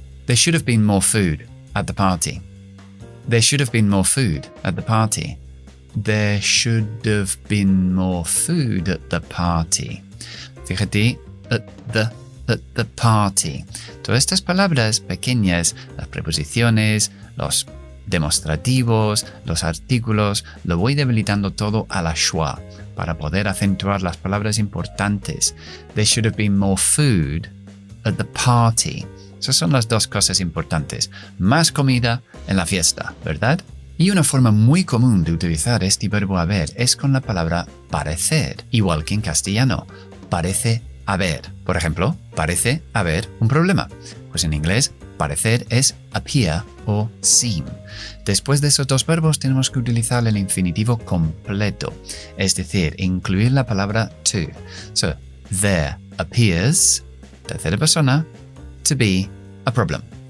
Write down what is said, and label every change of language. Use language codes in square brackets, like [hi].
[en] There should have been more food at the party. There should have been more food at the party. There should have been more food at the party. [es] Fíjate, [en] at the party. [es] Todas estas palabras pequeñas, las preposiciones, los demostrativos, los artículos, lo voy debilitando todo a la schwa para poder acentuar las palabras importantes. [en] There should have been more food at the party. [es] Esas son las dos cosas importantes. Más comida en la fiesta, ¿verdad? Y una forma muy común de utilizar este verbo haber es con la palabra parecer, igual que en castellano. Parece haber. Por ejemplo, parece haber un problema. Pues en inglés, parecer es appear o seem. Después de esos dos verbos, tenemos que utilizar el infinitivo completo. Es decir, incluir la palabra to. [en] So, there appears, [es] tercera persona, [en] to be a problem.